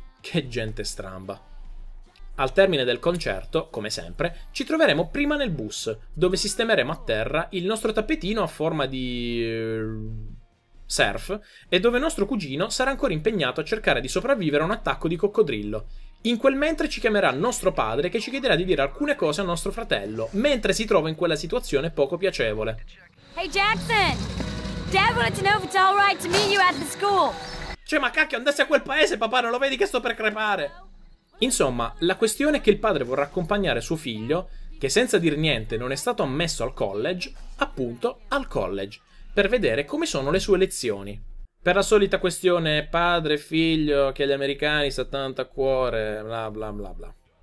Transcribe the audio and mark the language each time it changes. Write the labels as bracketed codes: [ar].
[it] Che gente stramba. Al termine del concerto, come sempre, ci troveremo prima nel bus, dove sistemeremo a terra il nostro tappetino a forma di surf, e dove nostro cugino sarà ancora impegnato a cercare di sopravvivere a un attacco di coccodrillo. In quel mentre ci chiamerà nostro padre, che ci chiederà di dire alcune cose a nostro fratello, mentre si trova in quella situazione poco piacevole. [en] Hey Jackson! Dad wanted to know if it's all right to meet you at the school! [it] Cioè, ma cacchio, andassi a quel paese, papà, non lo vedi che sto per crepare? Insomma, la questione è che il padre vorrà accompagnare suo figlio, che senza dir niente non è stato ammesso al college, appunto al college, per vedere come sono le sue lezioni. Per la solita questione padre figlio che gli americani sta tanto a cuore, bla bla bla bla.